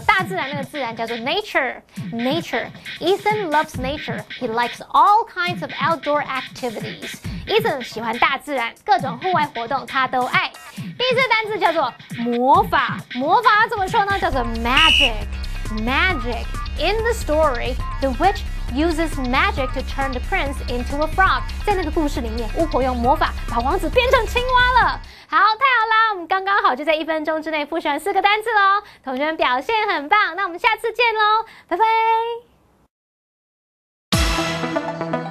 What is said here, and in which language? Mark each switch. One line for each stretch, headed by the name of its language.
Chinese: 大自然那个自然叫做 nature。Nature.
English: Ethan loves nature. He likes all kinds of outdoor activities. Ethan
Chinese: 喜欢大自然，各种户外活动他都爱。第四个单字叫做魔法，魔法怎么说呢？叫做 magic。Magic.
English: In the story, the witch uses magic to turn the prince into a frog.
Chinese: 在那个故事里面，巫婆用魔法把王子变成青蛙了。好，太好了，我们刚刚好就在一分钟之内复习完四个单字咯，同学们表现很棒，那我们下次见咯，拜拜。